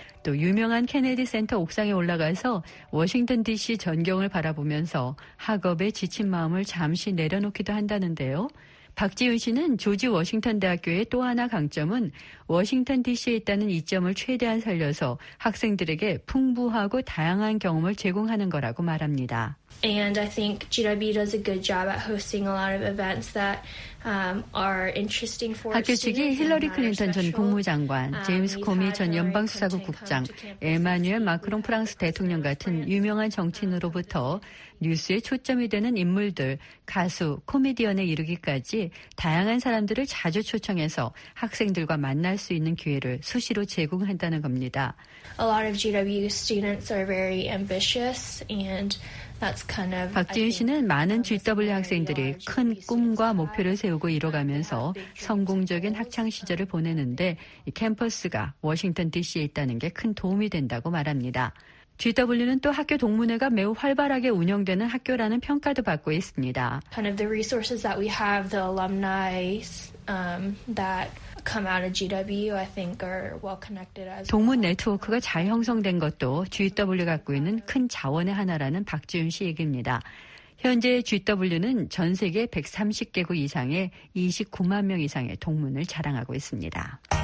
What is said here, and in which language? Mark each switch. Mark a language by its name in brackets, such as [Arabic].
[Korean] 또 유명한 케네디 센터 옥상에 올라가서 워싱턴 DC 전경을 바라보면서 학업에 지친 마음을 잠시 내려놓기도 한다는데요. 박지윤 씨는 조지 워싱턴 대학교의 또 하나 강점은 워싱턴 DC에 있다는 이점을 최대한 살려서 학생들에게 풍부하고 다양한 경험을 제공하는 거라고 말합니다. [English] And I think GW does a good job at hosting a lot of events that are interesting for students. [Korean] 학교 측이 힐러리 클린턴 전 국무장관, 제임스 코미 전 연방수사국 국장, 에마뉴엘 마크롱 프랑스 대통령 같은 유명한 정치인으로부터 뉴스에 초점이 되는 인물들, 가수, 코미디언에 이르기까지 다양한 사람들을 자주 초청해서 학생들과 만날 수 있는 기회를 수시로 제공한다는 겁니다. [English] A lot of GW students are very ambitious and [Korean] 박지윤 씨는 많은 GW 학생들이 큰 꿈과 목표를 세우고 이뤄가면서 성공적인 학창시절을 보내는데 이 캠퍼스가 워싱턴 DC에 있다는 게 큰 도움이 된다고 말합니다. GW는 또 학교 동문회가 매우 활발하게 운영되는 학교라는 평가도 받고 있습니다. [English] Kind of the resources that we have, the alumni that come out of GW, I think are well connected as well. [Korean] 동문 네트워크가 잘 형성된 것도 GW가 갖고 있는 큰 자원의 하나라는 박지윤 씨 얘기입니다. 현재 GW는 전 세계 130개국 이상의 29만 명 이상의 동문을 자랑하고 있습니다.